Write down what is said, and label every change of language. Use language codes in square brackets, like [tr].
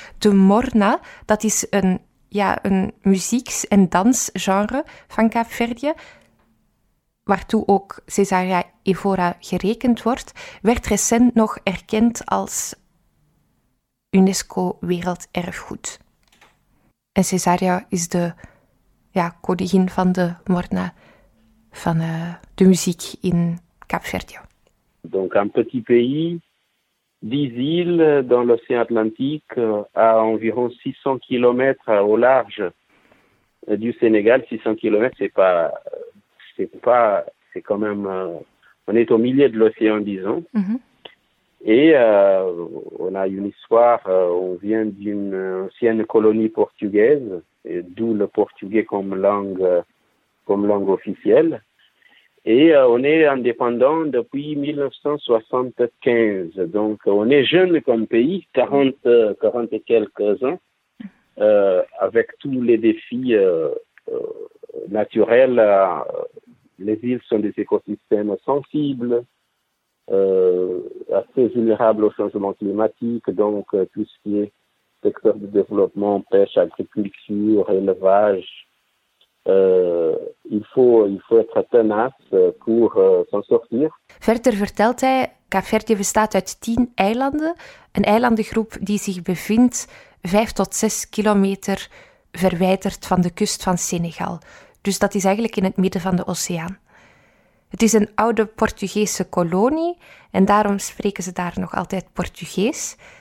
[nl] De morna, dat is een muzieks- en dansgenre van Kaapverdië, waartoe ook Cesaria Evora gerekend wordt, werd recent nog erkend als UNESCO-werelderfgoed. En Cesaria is de koningin van de morna, van de muziek in Kaapverdië. [fr] Donc un petit pays, 10 îles dans l'océan Atlantique, à environ 600 kilometers au large du Sénégal. 600 kilometers, c'est quand même, on est au milieu de l'océan, disons. Mm-hmm. Et on a une histoire, on vient d'une ancienne colonie portugaise, et d'où le portugais comme langue officielle. Et on est indépendant depuis 1975. Donc on est jeune comme pays, 40 et quelques ans, avec tous les défis naturels. Les îles sont des écosystèmes sensibles, assez vulnérables au changement climatique, donc tout ce qui est secteur de développement, pêche, agriculture, élevage, il faut être tenace pour s'en sortir. [nl] Verder vertelt hij, Kaapverdië bestaat uit 10 eilanden, een eilandengroep die zich bevindt 5 tot 6 kilometer verwijderd van de kust van Senegal. Dus dat is eigenlijk in het midden van de oceaan. Het is een oude Portugese kolonie en daarom spreken ze daar nog altijd Portugees.